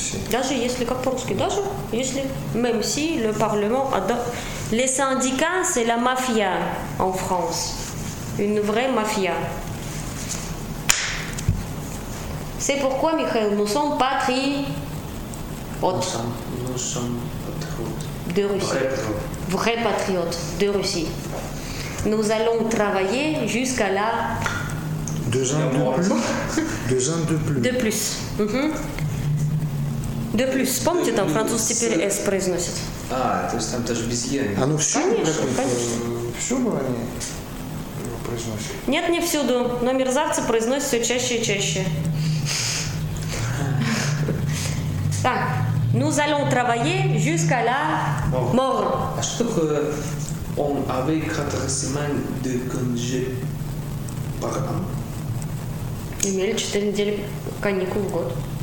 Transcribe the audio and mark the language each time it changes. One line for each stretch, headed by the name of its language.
Russian: Даже если как по-русски, даже если
French: même si le Parlement adore. Les syndicats, c'est la mafia en France. Une vraie mafia. C'est pourquoi, Michael, nous sommes patrie. Nous sommes de Russie. Vrais patriotes de Russie. Nous allons travailler jusqu'à la... Deux ans de plus. Mm-hmm. De plus.
Russian: Помните, там француз теперь S произносит. А, то есть там даже без Е. Оно все произносит? Нет, не всюду. Но мерзавцы произносят все чаще и чаще. Так.
French: Nous allons travailler jusqu'à la mort.
Russian: А что такое
French: on avait 4 semaines de congé par an?
Russian: Имели 4 недели каникул в год.